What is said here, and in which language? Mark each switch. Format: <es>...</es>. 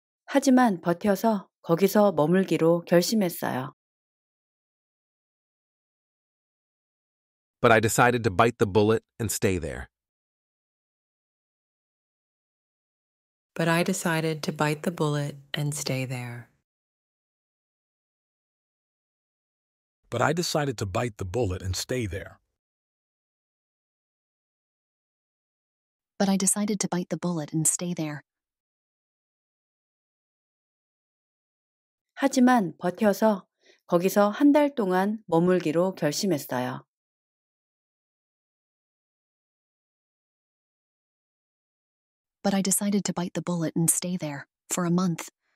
<ko>하지만 버텨서 거기서 머물기로 결심했어요.</ko> <en>But I decided to bite the bullet and stay there. But I decided to bite the bullet and stay there. But I decided to bite the bullet and stay there. but I decided to bite the bullet and stay there.</en> <ko>하지만 버텨서 거기서 한 달 동안 머물기로 결심했어요.</ko> <en>But I decided to bite the bullet and stay there for a month.</en>